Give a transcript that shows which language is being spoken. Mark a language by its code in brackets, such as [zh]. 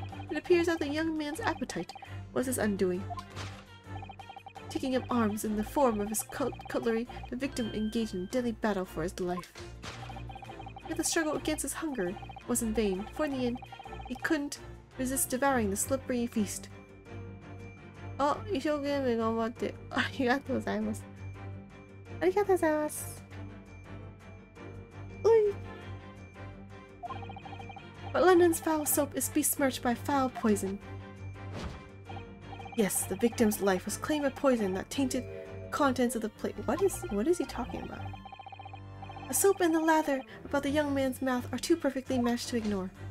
[en] It appears that the young man's appetite was his undoing. Taking up arms in the form of his cutlery, the victim engaged in a deadly battle for his life. Yet the struggle against his hunger was in vain, for in the end, he couldn't resist devouring the slippery feast. [ja] Oh, 一生懸命頑張って。ありがとうございます。ありがとうございます。おい。 [en] But London's foul soap is besmirched by foul poison. Yes, the victim's life was claimed by poison that tainted the contents of the plate. What is he talking about? The soap and the lather about the young man's mouth are too perfectly matched to ignore.